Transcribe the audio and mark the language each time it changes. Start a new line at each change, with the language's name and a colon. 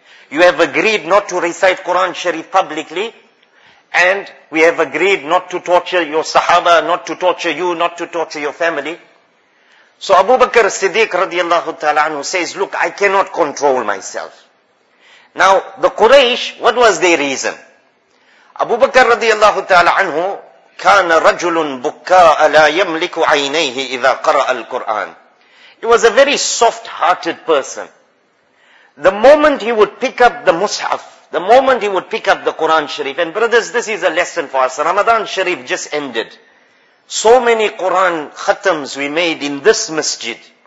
English: You have agreed not to recite Quran Sharif publicly. And we have agreed not to torture your Sahaba, not to torture you, not to torture your family. So Abu Bakr Siddiq radiallahu ta'ala anhu says, Look, I cannot control myself. Now, the Quraysh, what was their reason?
Arabic: Abu Bakr radiallahu ta'ala anhu, كان رجل بكاء لا يملك عينيه إذا قرأ القرآن.
English: He was a very soft-hearted person. The moment he would pick up the Mus'haf, the moment he would pick up the Quran Sharif, and brothers, this is a lesson for us. Ramadan Sharif just ended. So many Quran khatams we made in this masjid.